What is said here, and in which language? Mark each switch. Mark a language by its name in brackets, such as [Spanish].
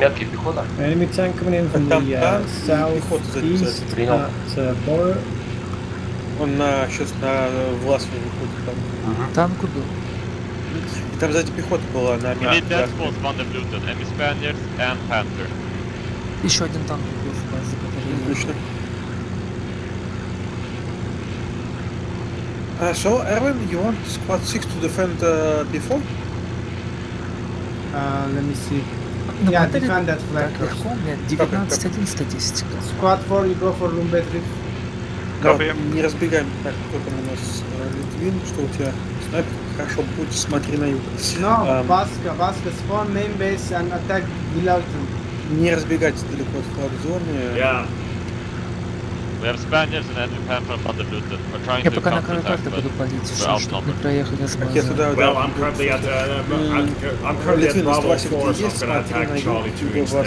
[English] Enemy tank coming in from the south-east at Bora. [Russian] Он сейчас на Власове выходит там. Танк куда? И там сзади пехота была на [English] Мятке. Need death squads, Vandeblutet, Enemy Spaniards and Panther. [Russian] Еще один танк был в базе, который... [English] So, Erwin, you want squad 6 to defend before? Let me see. No, yeah, defend that flag first. Yeah, 19-1 statistic. Squad 4, you go for Lumbe 3. Copy. No, [Russian] не разбегаем. Так, кто там у нас? Литвин, что у тебя? Снайпер, хорошо, путь, смотри на юг. [English] No, Vasco, spawn main base and attack Villauten. [Russian] Не разбегайте далеко от флаг зоны. [English] Yeah. We have Spaniards and enemy Panther on the loot. We're trying [Russian] я [English] to counterattack, but we're outnumbered. Well, I'm currently at Bravo 4, so I'm gonna attack Charlie 2 instead.